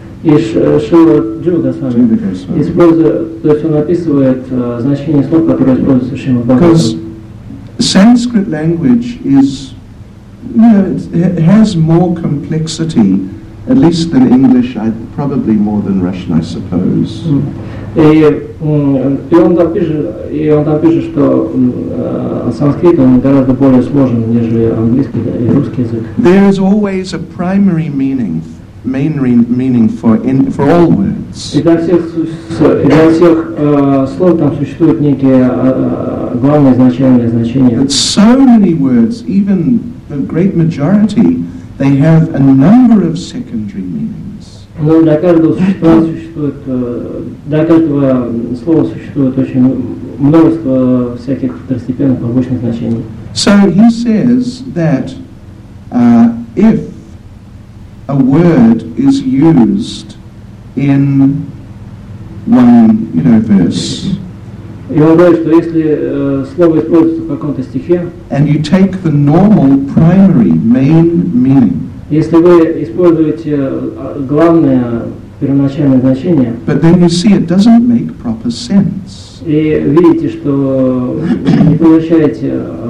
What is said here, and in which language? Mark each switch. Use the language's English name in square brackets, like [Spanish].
[Russian] И Шрила Джугасвами использует, то есть он описывает значение слов, которые используются в Шримад Бхагаватам. [English] Because Sanskrit language is, you know, it has more complexity, at least than English, probably more than Russian, I suppose. [Russian] И он там пишет, что санскрит он гораздо более сложен, нежели английский и русский язык. [English] There is always a primary meaning. Main meaning for all words. [Russian] И для всех слов там существует некие главные значения. [English] But so many words, even the great majority, they have a number of secondary meanings. [Russian] Но для каждого существует для каждого слова существует очень множество всяких второстепенных побочных значений. [English] So he says that if a word is used in one, you know, verse. [Russian] И он говорит, что если слово используется в каком-то стихе. [English] And you take the normal, primary, main meaning. [Russian] Если вы используете главное первоначальное значение. [English] But then you see it doesn't make proper sense. [Russian] И видите, что не получаете